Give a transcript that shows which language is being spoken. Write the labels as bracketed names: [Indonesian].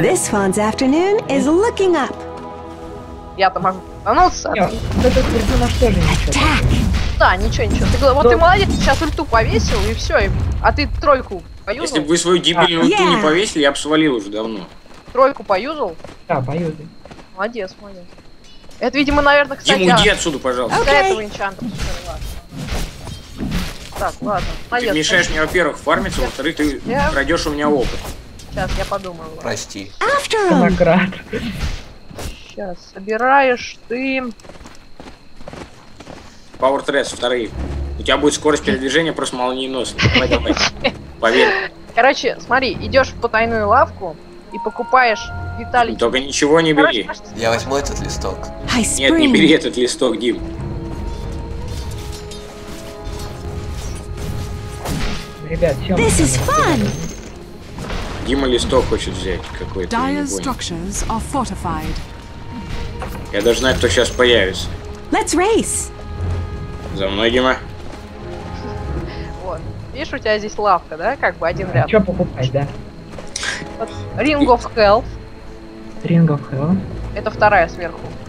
[English] This one's afternoon is looking up. [Russian] Я-то могу становиться. Нет, этот персонаж тоже ничего. Да, ничего. Ты, вот ты молодец, сейчас ульту повесил, и все. А ты тройку поюзал? Если бы вы свою гибельную ульту не повесили, я бы свалил уже давно. Тройку поюзал? Да, поюзал. Молодец, молодец. Это, видимо, наверное, кстати... Дим, уйди отсюда, пожалуйста. Okay. Для этого энчанта. Так, ладно. Молодец, ты мешаешь мне, во-первых, фармиться, во-вторых, ты крадешь у меня опыт. Сейчас, я подумаю. Ладно. Прости. Самоград. Сейчас, собираешь ты... Power Threads, вторые. У тебя будет скорость передвижения просто молниеносная. Давай. Поверь. Короче, смотри, идешь в потайную лавку и покупаешь детали. Только ничего не бери. Я возьму этот листок. Нет, не бери этот листок, Дим. Ребят, чё? Дима листок хочет взять какой-то. [English] Dire's structures are fortified. [Russian] Я даже знаю, кто сейчас появится. [English] Let's race! [Russian] За мной, Дима. Вот. Видишь, у тебя здесь лавка, да? Как бы один ряд. Что покупать, да? Ring of Health. Ring of Health? Это вторая сверху.